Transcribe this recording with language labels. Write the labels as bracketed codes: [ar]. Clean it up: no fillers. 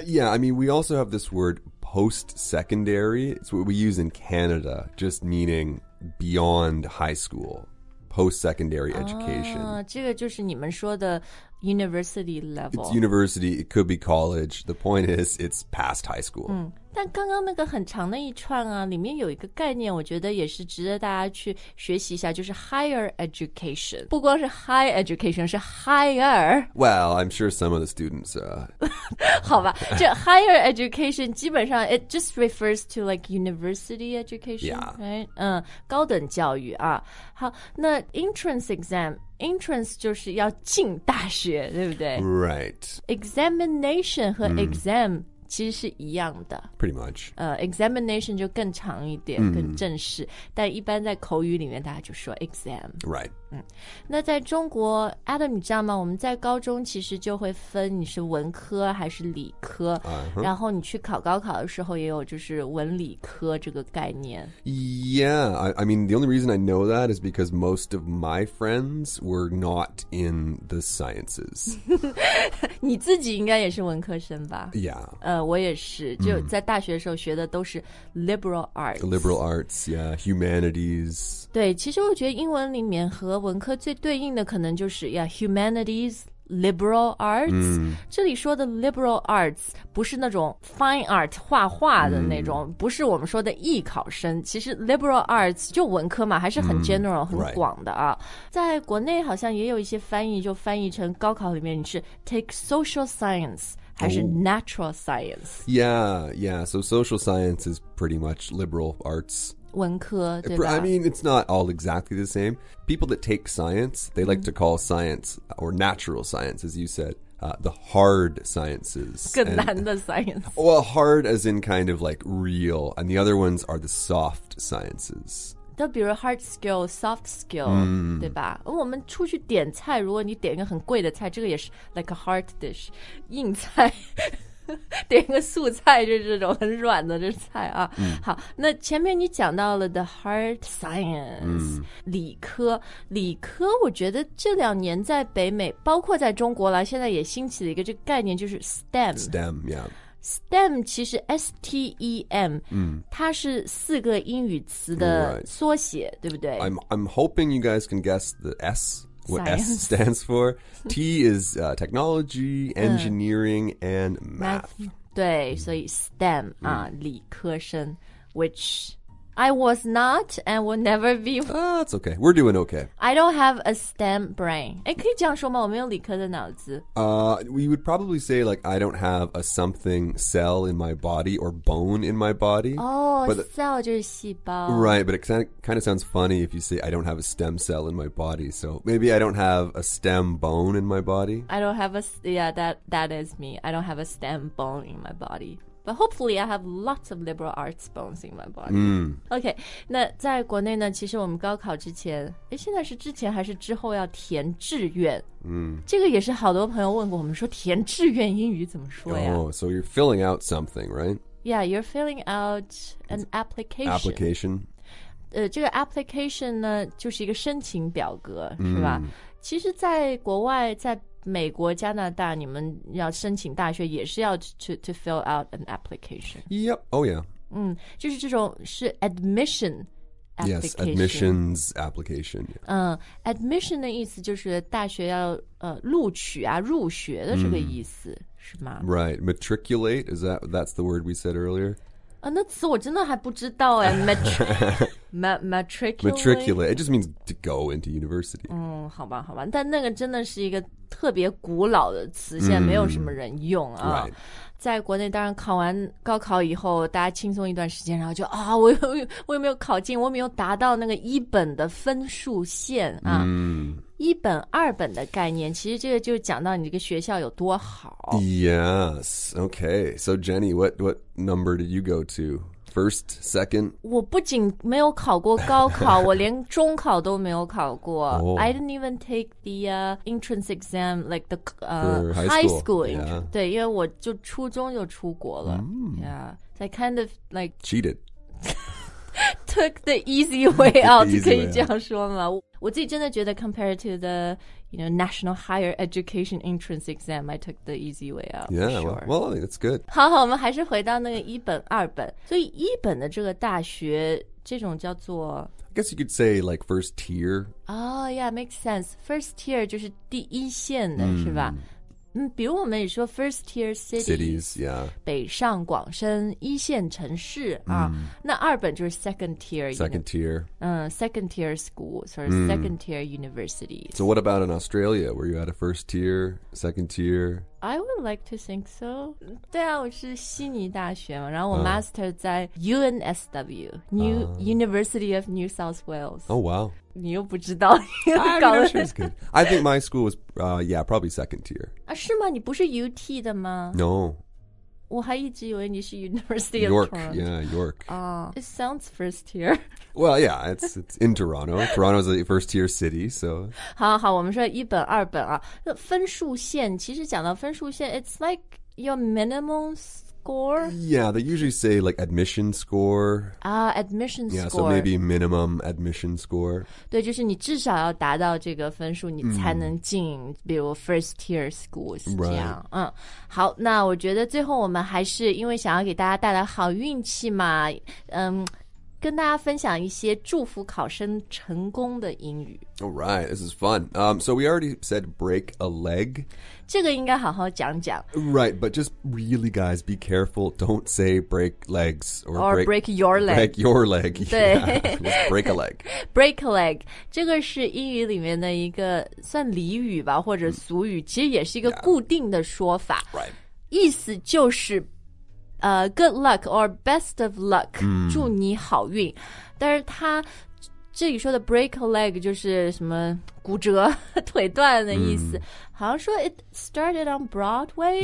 [en] Yeah, I mean, we also have this word post-secondary. It's what we use in Canada, just meaning beyond high school, post-secondary education. [zh] 这个就是你们说的 [en] University level. It's university, it could be college. The point is, it's past high school. [zh] 但刚刚那个很长的一串啊，里面有一个概念，我觉得也是值得大家去学习一下，就是 [en] higher education. [zh] 不光是 [en] high education, [zh] 是 higher. [en] Well, I'm sure some of the students, [zh] 好吧，这 [en] higher education [zh] 基本上 [en] it just refers to like university education, yeah. right? [zh] 高等教育啊。好，那 [en] entrance exam, [zh] Entrance 就是要进大学，对不对 [en] ？Right. [zh] Examination 和 exam 其实是一样的。 [en] Pretty much. [zh] Examination 就更长一点，更正式。但一般在口语里面，大家就说 [en] exam. Right. [zh] 那在中国 ，Adam， 你知道吗？我们在高中其实就会分你是文科还是理科， uh-huh. 然后你去考高考的时候也有就是文理科这个概念。 [en] Yeah, I mean, the only reason I know that is because most of my friends were not in the sciences. [zh] 你自己应该也是文科生吧 [en] ？Yeah. [zh] 我也是，就在大学的时候学的都是 [en] liberal arts. Liberal arts, yeah, humanities. [zh] 对，其实我觉得英文里面和文科最对应的可能就是 [en] yeah, humanities, liberal arts. [zh] 这里说的 liberal arts 不是那种 [en] fine art [zh] 画画的那种，不是我们说的艺考生。其实 [en] liberal arts [zh] 就文科嘛，还是很 general 很广的啊。在国内好像也有一些翻译，就翻译成高考里面你是 [en] take social science [zh] 还是 [en] natural science？ Yeah, yeah. So social science is pretty much liberal arts. [zh] 文科对吧 [en] I mean, it's not all exactly the same. People that take science, they like to call science or natural science, as you said, the hard sciences. [zh] 更难的 science. [en] Well, hard as in kind of like real, and the other ones are the soft sciences. [zh] 都比如 [en] hard skill, soft skill, [zh] 对吧？我们出去点菜，如果你点一个很贵的菜，这个也是 [en] like a hard dish, [zh] 硬菜。点个素菜就是这种很软的这菜啊、嗯、好那前面你讲到了 [en] The Hard Science、嗯、 [zh] 理科我觉得这两年在北美包括在中国了现在也兴起了一个这个概念就是 STEM、 [en] yeah. [zh] STEM 其实 STEM、嗯、它是四个英语词的缩写、 [en] right. [zh] 对不对 [en] I'm hoping you guys can guess the SWhat、 Science. S stands for. T is、technology, engineering,、and math. [zh] 对、mm. 所以 [en] STEM、 [zh] 理科生 [en] which I was not and will never be. That's okay. We're doing okay. I don't have a STEM brain. [zh] 诶可以这样说吗我没有理科的脑子、 [en] We would probably say like, I don't have a something cell in my body or bone in my body. Oh, cell [zh] 就是细胞。 [en] Right, but it kind of sounds funny if you say, I don't have a STEM cell in my body. So maybe I don't have a STEM bone in my body. I don't have a, yeah, that is me. I don't have a STEM bone in my body. But hopefully I have lots of liberal arts bones in my body.、 Mm. Okay, [zh] 那在国内呢其实我们高考之前现在是之前还是之后要填志愿、 mm. 这个也是好多朋友问过我们说填志愿英语怎么说呀、 [en] oh, So you're filling out something, right? Yeah, you're filling out an application. Application?、 [zh] 这个 application 呢就是一个申请表格、 mm. 是吧其实在国外在美国加拿大你们要申请大学也是要 [en] to fill out an application. Yep, oh yeah. [zh] 嗯就是这种是 admission [en] application. Yes, admissions application.、 Yeah. [zh] Admission 的意思就是大学要、录取啊入学的这个意思、 mm. 是吗 [en] Right, matriculate, is that, that's the word we said earlier? [zh] 那词我真的还不知道哎 matriculate [en] it just means to go into university [zh] 嗯好吧好吧但那个真的是一个特别古老的词现在没有什么人用啊、 [en] mm, right. [zh] 在国内当然考完高考以后大家轻松一段时间然后就啊我有没有考进我有没有达到那个一本的分数线啊、 mm. 一本二本的概念其实这个就讲到你这个学校有多好 [en] Yes, okay So Jenny, what number did you go to? First, second? [zh] 我不仅没有考过高考我连中考都没有考过、 [en] oh. I didn't even take the、entrance exam Like the、 high school、yeah. [zh] 对因为我就初中就出国了、 mm. [en] Yeah, I kind of like Cheated Took the easy way out easy [zh] 可以这样说吗我自己真的觉得 [en] compared to the, you know, National Higher Education Entrance Exam, I took the easy way out. Yeah,、 sure. well, that's good. [zh] 好好我们还是回到那个一本 [en] 二本。所以一本的这个大学这种叫做 I guess you could say like first tier. Oh, yeah, makes sense. First tier [zh] 就是第一线的、 mm. 是吧嗯比如我们也说 [en] first tier cities, yeah. [zh] 北上广深一线城市、mm. 啊那二本就是 [en] second tier. Second tier. 嗯 second tier schools or、mm. second tier universities. So what about in Australia? Were you at a first tier, second tier? I would like to think so. [zh] 对啊我是悉尼大学嘛然后我 master 在 UNSW, New、 [en] University of New South Wales. Oh, wow. [zh] 你又不知道搞了 [en] sure it's good. I think my school was、yeah, probably second tier、 [zh] 啊、是吗你不是 [en] UT [zh] 的吗 [en] No [zh] 我还一直以为你是 [en] University York, of Toronto York, yeah, York、 It sounds first tier Well, yeah, it's in Toronto Toronto's a first tier city, so [zh] 好好我们说一本二本啊分数线其实讲到分数线 [en] It's like your minimum score Yeah, they usually say like admission score admission score Yeah, so maybe minimum admission score [zh] 对就是你至少要达到这个分数你才能进、mm. 比如 [en] first tier schools、 right. [zh] 这样、好那我觉得最后我们还是因为想要给大家带来好运气嘛跟大家分享一些祝福考生成功的英语 [en] Alright, this is fun、So we already said break a leg [zh] 这个应该好好讲讲 [en] Right, but just really guys, be careful Don't say break legs Or break your leg Break your leg [zh] 对、 [en] yeah. Let's break a leg Break a leg [zh] 这个是英语里面的一个算俚语吧或者俗语、mm. 其实也是一个固定的说法、 [en] yeah. Right [zh] 意思就是 [en] good luck or best of luck、 mm. [zh] 祝你好运但是他这里说的 [en] break a leg [zh] 就是什么骨折腿断的意思、mm. 好像说 [en] it started on Broadway